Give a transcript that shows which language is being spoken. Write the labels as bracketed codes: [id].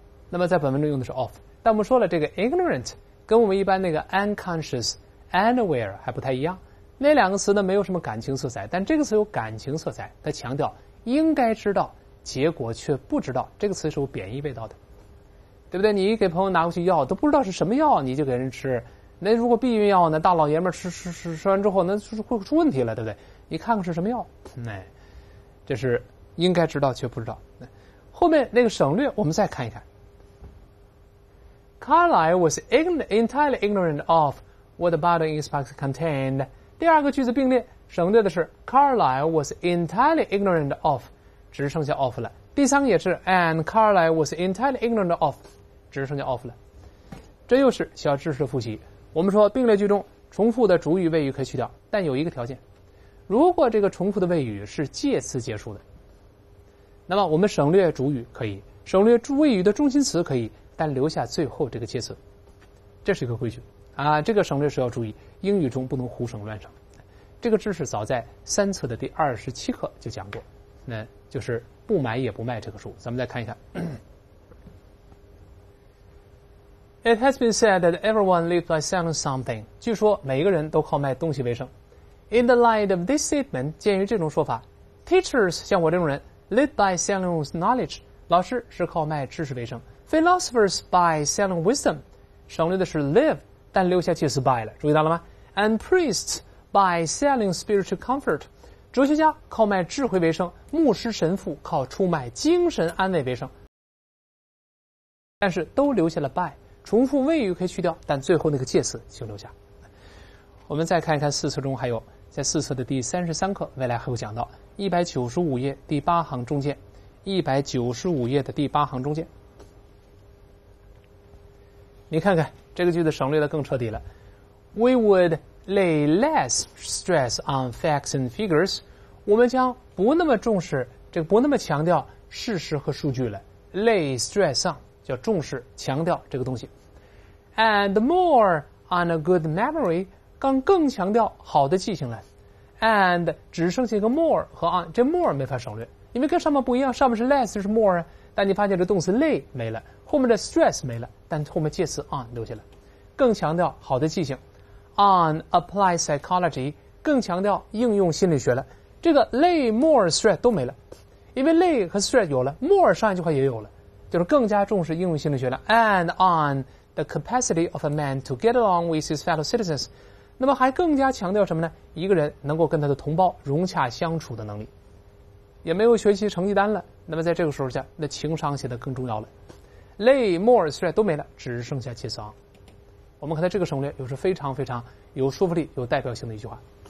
[zh] 那么在本文中用的是 of， 但我们说了这个 ignorant 跟我们一般那个 [en] unconscious unaware [zh] 还不太一样，那两个词呢没有什么感情色彩，但这个词有感情色彩，它强调应该知道结果却不知道，这个词是有贬义味道的，对不对？你给朋友拿过去药都不知道是什么药你就给人吃，那如果避孕药呢，大老爷们吃完之后那会出问题了，对不对？你看看是什么药，这是应该知道却不知道。后面那个省略我们再看一看。 [en] Carlyle was entirely ignorant of what the bottle in his pocket contained。 [zh] 第二个句子并列省略的是 [en] Carlyle was entirely ignorant of， [zh] 只剩下 of 了。第三个也是 [en] and Carlyle was entirely ignorant of， [zh] 只剩下 of 了。这又是小知识的复习。我们说并列句中重复的主语谓语可以去掉，但有一个条件。如果这个重复的谓语是介词结束的，那么我们省略主语可以，省略谓语的中心词可以，但留下最后这个介词，这是一个规矩啊。这个省略是要注意，英语中不能胡省乱省。这个知识早在三册的第27课就讲过，那就是不买也不卖这个书。咱们再看一看。 [en] It has been said that everyone lives by selling something， [zh] 据说每个人都靠卖东西为生。 [en] In the light of this statement， [zh] 鉴于这种说法， teachers 像我这种人 [en] live by selling knowledge， [zh] 老师是靠卖知识为生， [en] philosophers by selling wisdom， [zh] 省略的是 live 但留下介词 by 了，注意到了吗？ [en] and priests by selling spiritual comfort， [zh] 哲学家靠卖智慧为生，牧师神父靠出卖精神安慰为生，但是都留下了 by， 重复谓语可以去掉，但最后那个介词就留下。我们再看一看四册中还有在四册的第33课，未来还会讲到195页第八行中间，195页的第八行中间。你看看这个句子省略的更彻底了。 [en] We would lay less stress on facts and figures. [zh] 我们将不那么重视，这个不那么强调事实和数据了。 [en] Lay stress on [zh] 叫重视、强调这个东西。 [en] And more on a good memory, [zh] 刚更强调好的记性了。 And 只剩下一个 more 和 on, 这 more 没法省略，因为跟上面不一样，上面是 less 是 more， 但你发现这动词 lay 没了，后面的 stress 没了，但后面介词 on 留下了，更强调好的记性。 [en] On applied psychology [zh] 更强调应用心理学了，这个 [en] lay more stress [zh] 都没了，因为 lay 和 stress 有了， more 上一句话也有了，就是更加重视应用心理学了。 [en] And on the capacity of a man to get along with his fellow citizens， [zh] 那么还更加强调什么呢？一个人能够跟他的同胞融洽相处的能力，也没有学习成绩单了，那么在这个时候下，那情商显得更重要了。 [en] lay more stress [zh] 都没了，只剩下介词 on。我们看到这个省略又是非常非常有说服力、有代表性的一句话。